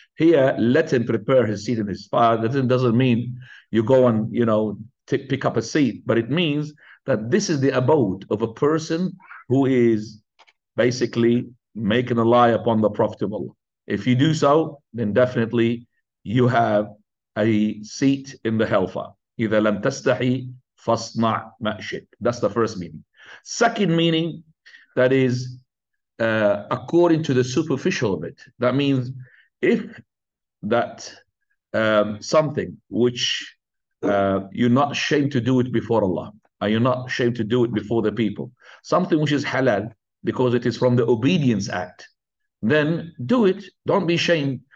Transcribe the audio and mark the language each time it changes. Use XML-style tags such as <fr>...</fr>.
<en>Here, let him prepare his seat in his fire. That doesn't mean you go and, you know, pick up a seat, but it means that this is the abode of a person who is basically making a lie upon the Prophet of Allah. If you do so, then definitely you have a seat in the hellfire.</en> <ar>إذا لم تستحي فاصنع ما شئت.</ar> <en>That's the first meaning. Second meaning, that is according to the superficial of it. That means if that something which you're not ashamed to do it before Allah, and you're not ashamed to do it before the people, something which is halal because it is from the obedience act, then do it, don't be ashamed.</en>